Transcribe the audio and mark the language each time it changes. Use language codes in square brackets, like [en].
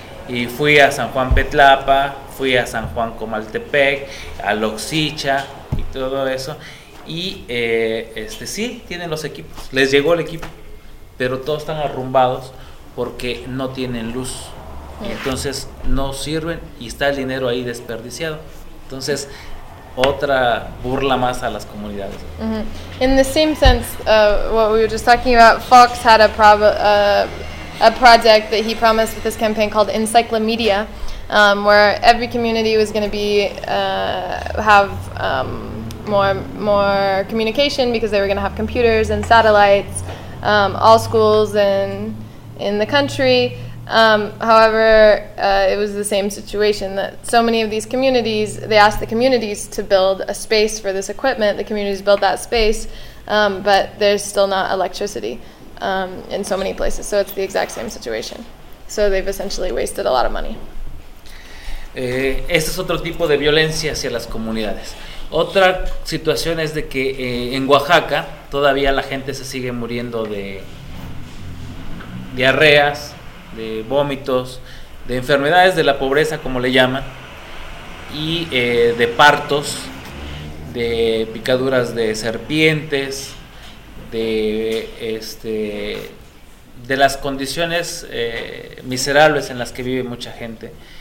[es] Y fui a San Juan Petlapa, fui a San Juan Comaltepec, a Loxicha y todo eso, y sí tienen los equipos, les llegó el equipo, pero todos están arrumbados porque no tienen luz. Y entonces no sirven y está el dinero ahí desperdiciado. Entonces, otra burla más a las comunidades. Mm-hmm. [en] In the same sense, what we were just talking about, Fox had a project that he promised with this campaign called Encyclomedia, where every community was going to be have more communication, because they were going to have computers and satellites, all schools in the country. However, it was the same situation, that so many of these communities, they asked the communities to build a space for this equipment, the communities built that space, but there's still not electricity in so many places, so it's the exact same situation. So they've essentially wasted a lot of money. [es] Este es otro tipo de violencia hacia las comunidades. Otra situación es de que en Oaxaca todavía la gente se sigue muriendo de diarreas, de vómitos, de enfermedades de la pobreza, como le llaman, y de partos, de picaduras de serpientes, de las condiciones miserables en las que vive mucha gente.